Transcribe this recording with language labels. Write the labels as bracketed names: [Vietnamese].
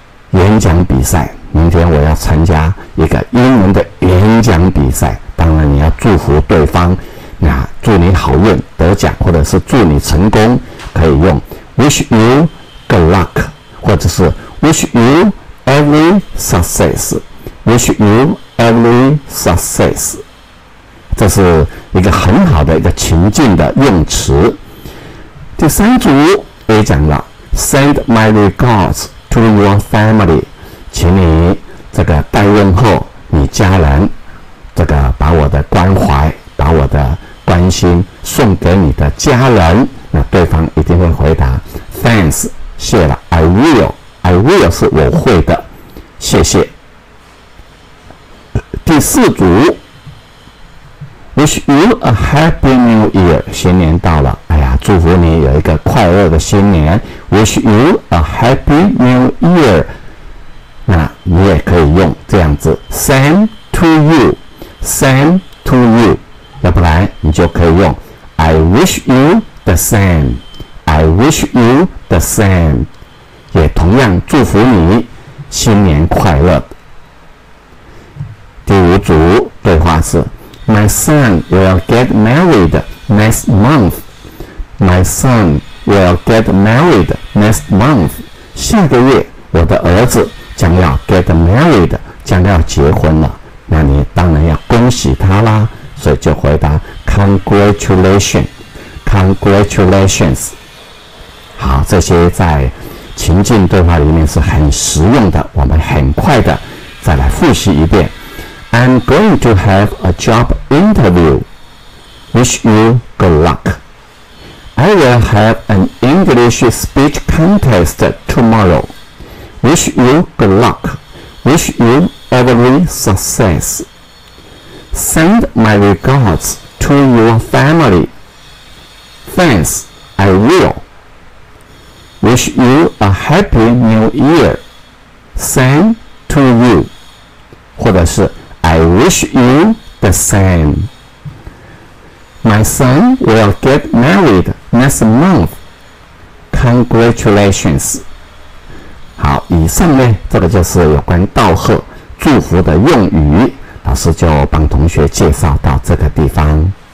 [Chinese] 演讲比赛明天我要参加一个英文的演讲比赛当然你要祝福对方那祝你好运得奖或者是祝你成功可以用 [English] Wish you good luck, [Chinese] 或者是 [English] Wish you every success, [Chinese] Wish you every success. 这是一个很好的一个情境的用词。第三组也讲了 [English] Send my regards to your family. [Chinese] 请你这个代问候你家人这个把我的关怀把我的关心送给你的家人那对方一定会回答 Thanks 谢了 [English] I will I will [Chinese] 是我会的，谢谢。第四组 ， [English] Wish you a happy new year， [Chinese] 新年到了，哎呀，祝福你有一个快乐的新年。 [English] Wish you a happy new year， [Chinese] 那你也可以用这样子 ， [English] same to you， same to you， [Chinese] 要不然你就可以用 [English] I wish you the same。 I wish you the same， [Chinese] 也同样祝福你新年快乐。第五组对话是 [English] ：My son will get married next month. My son will get married next month. [Chinese] 下个月我的儿子将要 [English] get married， [Chinese] 将要结婚了。那你当然要恭喜他啦，所以就回答 [English] Congratulations， Congratulations。 [Chinese] 好，这些在情境对话里面是很实用的，我们很快的再来复习一遍。 [English] I'm going to have a job interview. Wish you good luck. I will have an English speech contest tomorrow. Wish you good luck. Wish you every success. Send my regards to your family. Thanks, I will. Wish you a happy new year. Same to you. [Chinese] 或者是 [English] I wish you the same. My son will get married next month. Congratulations. [Chinese] 好，以上呢，这个就是有关道贺祝福的用语，老师就帮同学介绍到这个地方。